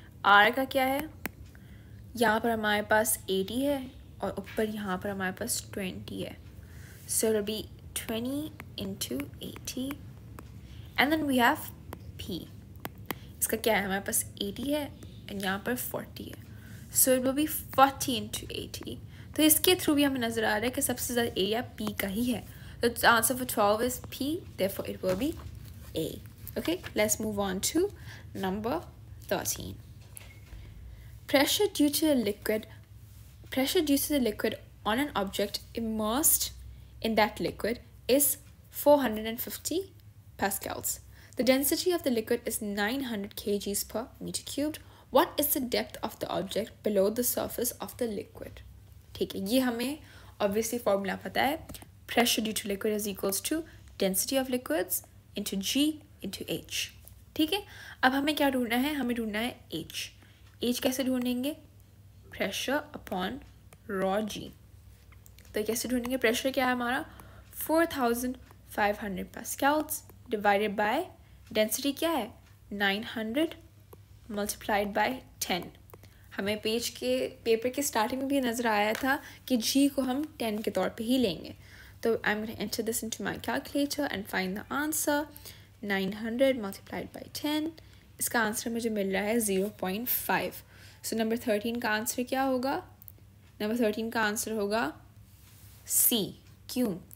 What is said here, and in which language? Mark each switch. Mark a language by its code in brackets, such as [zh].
[hi] Are का क्या है यहाँ पर हमारे पास 80 है और ऊपर यहाँ पर हमारे पास 20 है [en] so it will be 20 × 80 and then we have P [hi] इसका क्या है हमारे पास 80 है एंड यहाँ पर 40 है [en] so it will be 40 × 80 [hi] तो इसके थ्रू भी हमें नज़र आ रहा है कि सबसे ज़्यादा एरिया पी का ही है [en] The answer for 12 is P, therefore it will be A. Okay, let's move on to number 13. Pressure due to the liquid on an object immersed in that liquid is 450 pascals. The density of the liquid is 900 kgs per meter cubed. What is the depth of the object below the surface of the liquid? [hi] ठीक है, ये हमें obviously formula पता है. [en] Pressure due to liquid is equals to density of liquids into g into h. [hi] ठीक है, अब हमें क्या ढूंढना है? हमें ढूंढना है h. h कैसे ढूंढेंगे? [en] Pressure upon rho g. [hi] तो कैसे ढूंढेंगे? Pressure क्या है हमारा? [en] 4500 pascals divided by density [hi] क्या है? [en] 900 multiplied by 10. [hi] हमें पेज के पेपर के स्टार्टिंग में भी नजर आया था कि g को हम 10 के तौर पे ही लेंगे. [en] तो I'm going to enter this into my calculator and find the answer. 900 multiplied by 10. [hi] इसका आंसर मुझे मिल रहा है 0.5. So number 13 का आंसर क्या होगा? Number 13 का आंसर होगा C. क्यों?